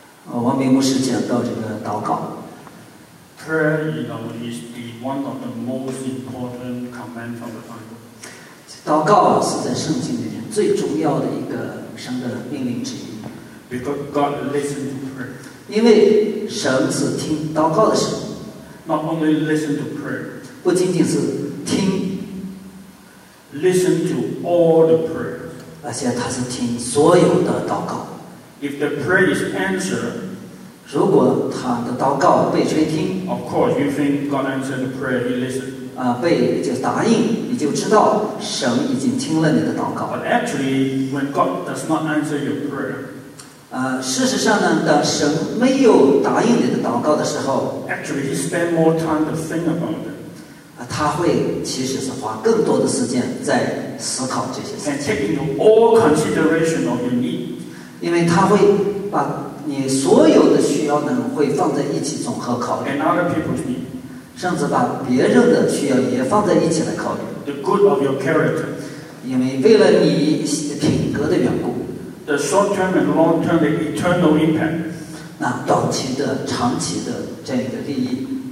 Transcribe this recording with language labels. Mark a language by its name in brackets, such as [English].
[Chinese] 王明牧师讲到这个祷告。 [English] Prayer, you know, is the one of the most important commands of the Bible. [Chinese] 祷告是在圣经里面最重要的一个神的命令之一。 [English] Because God listens to prayer. [Chinese] 因为神是听祷告的神。 [English] Not only listen to prayer. [Chinese] 不仅仅是听。 [English] Listen to all the prayers. [Chinese] 而且他是听所有的祷告。 [English] If the prayer is answered, [Chinese] 如果他的祷告被垂听 [English] ，Of course you think God answered the prayer. He listened. [Chinese] 被就答应，你就知道神已经听了你的祷告。 [English] But actually, when God does not answer your prayer, [Chinese] 事实上呢，当神没有答应你的祷告的时候 [English] ，Actually, he spend more time to think about it. [Chinese] 他会其实是花更多的时间在思考这些事情 [English] and taking all consideration of your need. [Chinese] 因为他会把你所有的需要呢会放在一起综合考虑 [English] and other people's need. [Chinese] 甚至把别人的需要也放在一起来考虑 [English] the good of your character. [Chinese] 因为为了你品格的缘故 [English] the short term and long term the eternal impact. [Chinese] 那短期的长期的这样一个利益